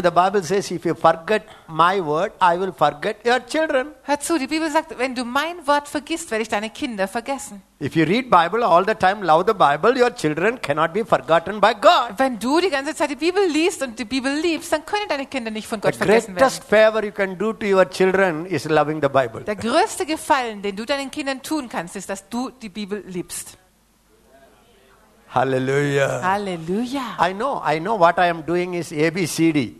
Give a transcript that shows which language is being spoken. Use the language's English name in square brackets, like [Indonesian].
[English] The Bible says, if you forget my word, I will forget your children. [German] Hör zu. Die Bibel sagt, wenn du mein Wort vergisst, werde ich deine Kinder vergessen. [English] If you read Bible all the time, love the Bible, your children cannot be forgotten by God. [German] Wenn du die ganze Zeit die Bibel liest und die Bibel liebst, dann können deine Kinder nicht von Gott vergessen werden. [English] The greatest favor you can do to your children is loving the Bible. [German] Der größte Gefallen, den du deinen Kindern tun kannst, ist, dass du die Bibel liebst. [English] Halleluja. [German] Halleluja. [English] I know what I am doing is ABCD.